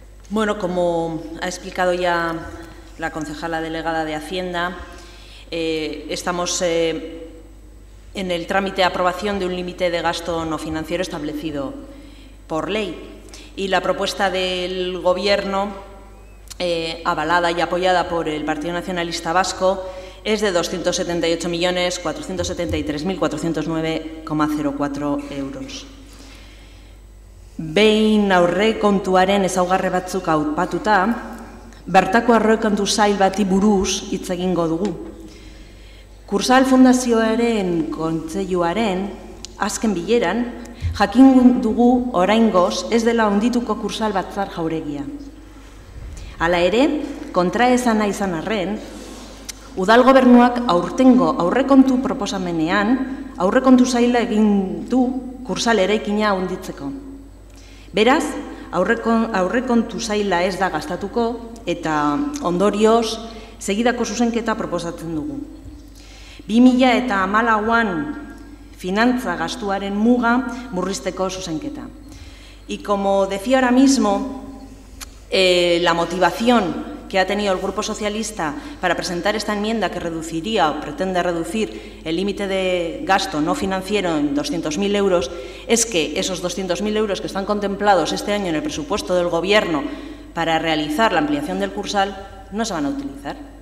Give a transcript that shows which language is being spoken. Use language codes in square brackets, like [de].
[es] Bueno, como ha explicado ya la concejala delegada de Hacienda, estamos en el trámite de aprobación de un límite de gasto no financiero establecido por ley. Y la propuesta del Gobierno avalada y apoyada por el Partido Nacionalista Vasco, es de 278.473.409,04 €. [eu] Behin aurrekontuaren ezaugarri batzuk aipatuta, bertako aurrekontu sail bati buruz hitz egingo dugu. Kursal Fundazioaren kontseiluaren azken bileran, jakin dugu oraingoz ez dela hondituko Kursal Batzar Jauregia. Hala ere, kontraesana izan arren, Udal Gobernuak aurtengo aurrekontu proposamenean aurrekontu saila egin du kursal eraikina hunditzeko. Beraz, aurrekontu saila ez da gastatuko eta ondorioz segidako zuzenketa proposatzen dugu. 2014an finantza gastuaren muga murrizteko zuzenketa. [es] Y como decía ahora mismo, la motivación que ha tenido el Grupo Socialista para presentar esta enmienda que reduciría o pretende reducir el límite de gasto no financiero en 200.000 euros es que esos 200.000 euros que están contemplados este año en el presupuesto del Gobierno para realizar la ampliación del Kursal no se van a utilizar.